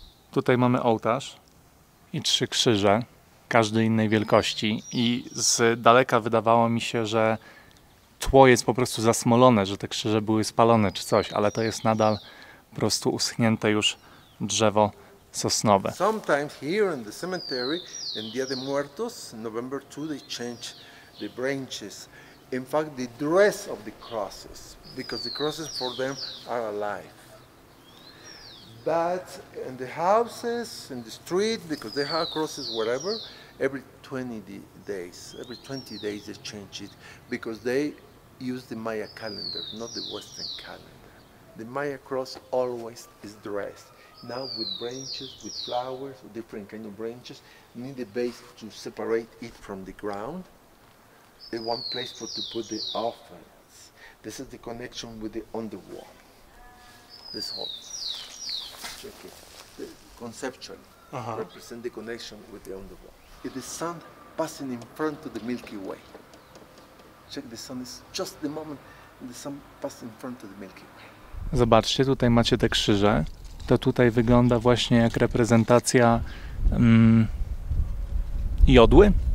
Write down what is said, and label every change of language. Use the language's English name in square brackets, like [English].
[Polish] Tutaj mamy ołtarz i 3 krzyże, każdy innej wielkości. I z daleka wydawało mi się, że tło jest po prostu zasmolone, że te krzyże były spalone czy coś, ale to jest nadal prostu uschnięte już drzewo sosnowe. [English] Sometimes here in the cemetery in Dia de Muertos, November 2, they change the branches. In fact, the dress of the crosses, because the crosses for them are alive. But in the houses, in the street, because they have crosses wherever, every 20 days they change it, because they use the Maya calendar, not the Western calendar. The Maya cross always is dressed. Now with branches, with flowers, different kind of branches, you need a base to separate it from the ground. The one place for to put the offerings. This is the connection with the underworld. This whole, check it. The conceptually, uh-huh, represent the connection with the underworld. It is sun passing in front of the Milky Way. Check, the sun is just the moment the sun passed in front of the Milky Way. [Polish] Zobaczcie, tutaj macie te krzyże. To tutaj wygląda właśnie jak reprezentacja jodły.